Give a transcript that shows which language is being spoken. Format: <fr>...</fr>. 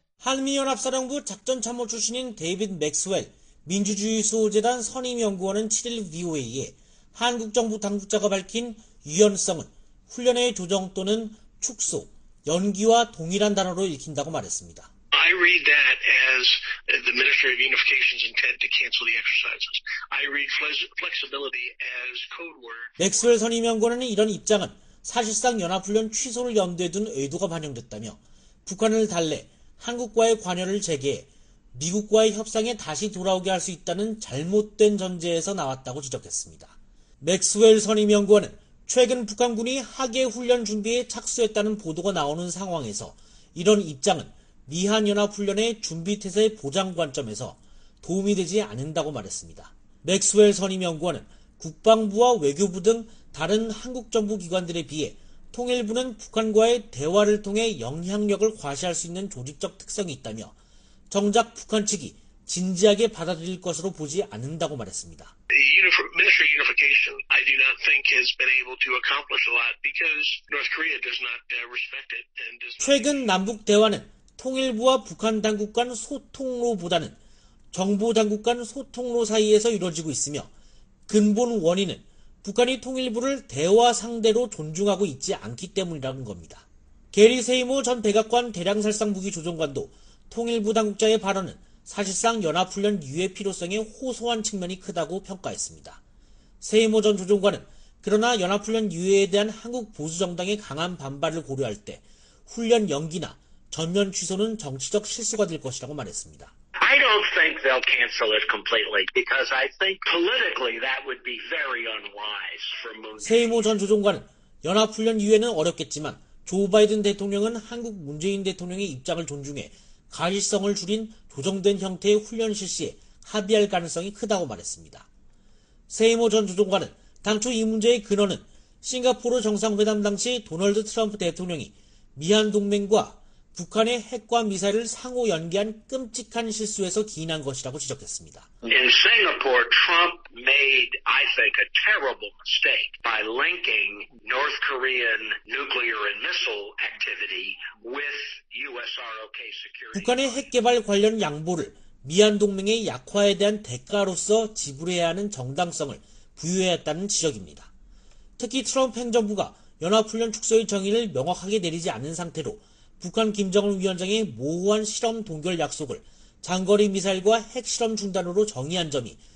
<ko>한미연합사령부 작전참모 출신인 데이빗 맥스웰, 민주주의 수호재단 선임연구원은 7일 VOA에 한국 정부 당국자가 밝힌 유연성은 훈련의 조정 또는 축소, 연기와 동일한 단어로 읽힌다고 말했습니다.</ko> <en>I read that as the Ministry of Unification's intent to cancel the exercises. I read flexibility as code word.</en> <ko>맥스웰 선임연구원은 이런 입장은 사실상 연합훈련 취소를 염두에 둔 의도가 반영됐다며 북한을 달래 한국과의 관여를 재개해 미국과의 협상에 다시 돌아오게 할 수 있다는 잘못된 전제에서 나왔다고 지적했습니다. 맥스웰 선임연구원은 최근 북한군이 하계 훈련 준비에 착수했다는 보도가 나오는 상황에서 이런 입장은 미한연합훈련의 준비태세 보장 관점에서 도움이 되지 않는다고 말했습니다. 맥스웰 선임연구원은 국방부와 외교부 등 다른 한국 정부 기관들에 비해 통일부는 북한과의 대화를 통해 영향력을 과시할 수 있는 조직적 특성이 있다며 정작 북한 측이 진지하게 받아들일 것으로 보지 않는다고 말했습니다.</ko> <en>Ministry of Unification, I do not think has been able to accomplish a lot because North Korea does not respect it and does not.</en> <ko>최근 남북 대화는 통일부와 북한 당국 간 소통로보다는 정부 당국 간 소통로 사이에서 이루어지고 있으며 근본 원인은 북한이 통일부를 대화 상대로 존중하고 있지 않기 때문이라는 겁니다. 게리 세이모 전 백악관 대량살상무기조정관도 통일부 당국자의 발언은 사실상 연합훈련 유예 필요성에 호소한 측면이 크다고 평가했습니다. 세이모 전 조정관은 그러나 연합훈련 유예에 대한 한국 보수정당의 강한 반발을 고려할 때 훈련 연기나 전면 취소는 정치적 실수가 될 것이라고 말했습니다.</ko> <en>I don't think they'll cancel it completely because I think politically that would be very unwise for Moon.</en> <ko>세이모 전 조정관은 연합훈련 유예는 어렵겠지만 조 바이든 대통령은 한국 문재인 대통령의 입장을 존중해 가시성을 줄인 조정된 형태의 훈련 실시에 합의할 가능성이 크다고 말했습니다. 세이모 전 조정관은 당초 이 문제의 근원은 싱가포르 정상회담 당시 도널드 트럼프 대통령이 미한 동맹과 북한의 핵과 미사일을 상호 연계한 끔찍한 실수에서 기인한 것이라고 지적했습니다.</ko> <en>In Singapore, Trump made, I think, a terrible mistake by linking North Korean nuclear and missile activity with USROK security.</en> <ko>북한의 핵 개발 관련 양보를 미한 동맹의 약화에 대한 대가로서 지불해야 하는 정당성을 부여했다는 지적입니다. 특히 트럼프 행정부가 연합훈련 축소의 정의를 명확하게 내리지 않은 상태로 북한 김정은 위원장의 모호한 실험 동결 약속을 장거리 미사일과 핵실험 중단으로 정의한 점이</ko>